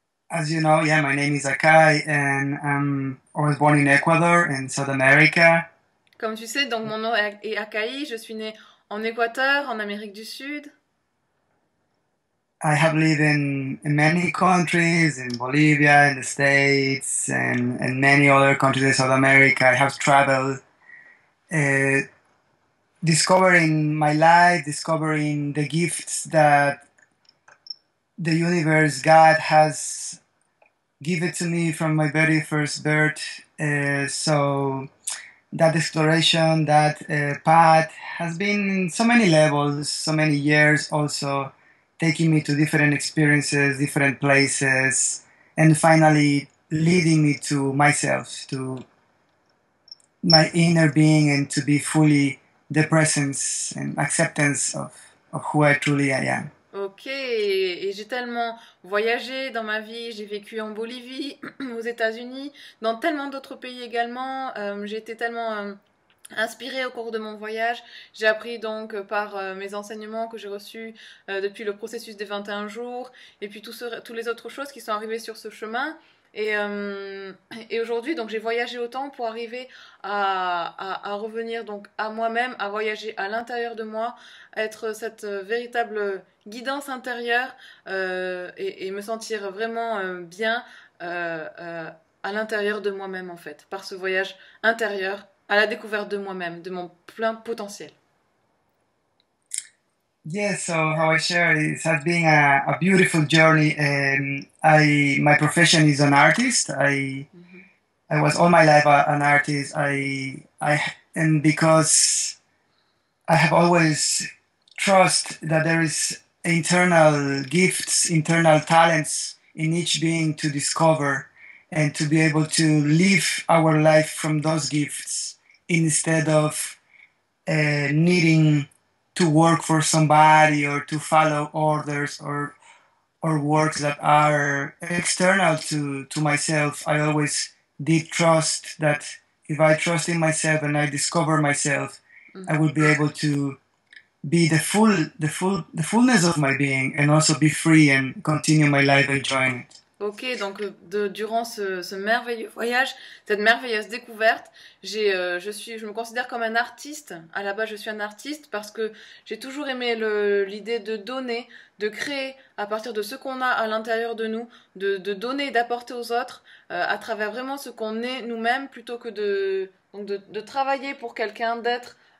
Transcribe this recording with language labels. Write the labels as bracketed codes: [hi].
[en] As you know, yeah, my name is Akai, and I was born in Ecuador, in South America. [fr] Comme tu sais, donc, mon nom est Akai, je suis née en Équateur, en Amérique du Sud. [en] Have lived in many countries, in Bolivia, in the States, and many other countries in South America. I have traveled, discovering my life, discovering the gifts that the universe, God has given to me from my very first birth. So that exploration, that path has been so many levels, so many years also, taking me to different experiences, different places, and finally leading me to myself, to my inner being, and to be fully the presence and acceptance of who I truly am. [fr] Ok, et j'ai tellement voyagé dans ma vie, j'ai vécu en Bolivie, aux États-Unis, dans tellement d'autres pays également, j'ai été tellement inspirée au cours de mon voyage, j'ai appris donc par mes enseignements que j'ai reçus depuis le processus des 21 jours, et puis tous les autres choses qui sont arrivées sur ce chemin. Et aujourd'hui, donc, j'ai voyagé autant pour arriver à revenir donc à moi-même, à voyager à l'intérieur de moi, être cette véritable guidance intérieure et me sentir vraiment bien à l'intérieur de moi-même en fait, par ce voyage intérieur à la découverte de moi-même, de mon plein potentiel. [en] Yes, so how I share it has been a beautiful journey, and my profession is an artist. I was all my life an artist. And because I have always trust that there is internal gifts, internal talents in each being to discover and to be able to live our life from those gifts instead of needing to work for somebody or to follow orders or works that are external to myself. I always did trust that if I trust in myself and I discover myself, I would be able to be the fullness of my being and also be free and continue my life enjoying it. [fr] Ok, donc durant ce merveilleux voyage, cette merveilleuse découverte, je me considère comme un artiste. À la base, je suis un artiste parce que j'ai toujours aimé l'idée de donner, de créer à partir de ce qu'on a à l'intérieur de nous, de donner, d'apporter aux autres à travers vraiment ce qu'on est nous-mêmes plutôt que de travailler pour quelqu'un, d'être